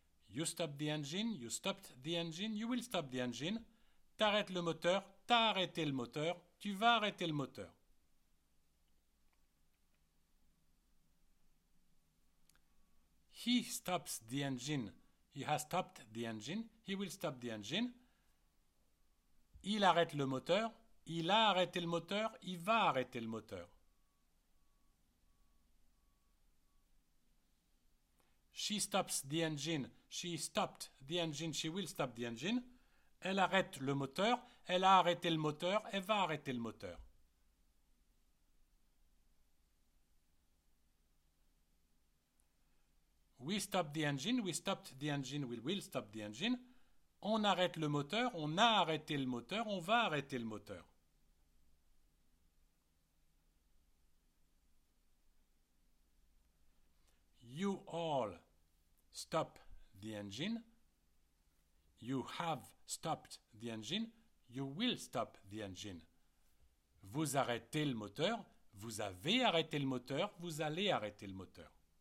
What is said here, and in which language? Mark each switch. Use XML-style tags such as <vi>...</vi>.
<en>You stop the engine, you stopped the engine, you will stop the engine.</en> <fr>T'arrêtes le moteur, t'as arrêté le moteur, tu vas arrêter le moteur.</fr> <en>He stops the engine, he has stopped the engine, he will stop the engine.</en> <fr>Il arrête le moteur, il a arrêté le moteur, il va arrêter le moteur.</fr> <en>She stops the engine, she stopped the engine, she will stop the engine.</en> <fr>Elle arrête le moteur, elle a arrêté le moteur, elle va arrêter le moteur.</fr> <en>We stop the engine, we stopped the engine, we will stop the engine.</en> <fr>On arrête le moteur, on a arrêté le moteur, on va arrêter le moteur.</fr> <en>You all stop the engine, you have stopped the engine, you will stop the engine.</en> <fr>Vous arrêtez le moteur, vous avez arrêté le moteur, vous allez arrêter le moteur.</fr>